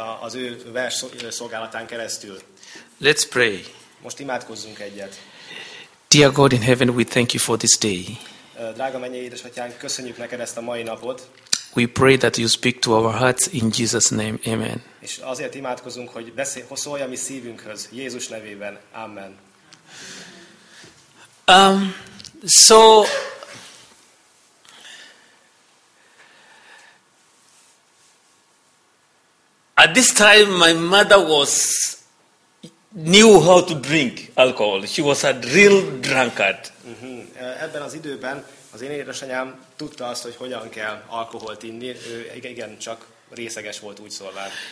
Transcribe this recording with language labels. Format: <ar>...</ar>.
<hu>Az ő vers szolgálatán keresztül.</hu> <en>Let's pray.</en> <hu>Most imádkozzunk egyet.</hu> <en>Dear God in heaven, we thank you for this day.</en> <hu>Drága mennyei édesatyánk, köszönjük neked ezt a mai napot.</hu> <en>We pray that you speak to our hearts in Jesus name. Amen.</en> <hu>És azért imádkozunk, hogy szólj a mi szívünkhöz Jézus nevében. Amen.</hu> <en>So at this time my mother was knew how to drink alcohol. She was a real drunkard.</en> <hu>Ebben az időben az én édesanyám tudta azt, hogy hogyan kell alkoholt inni. Ő igen csak részeges volt úgy szólván.</hu>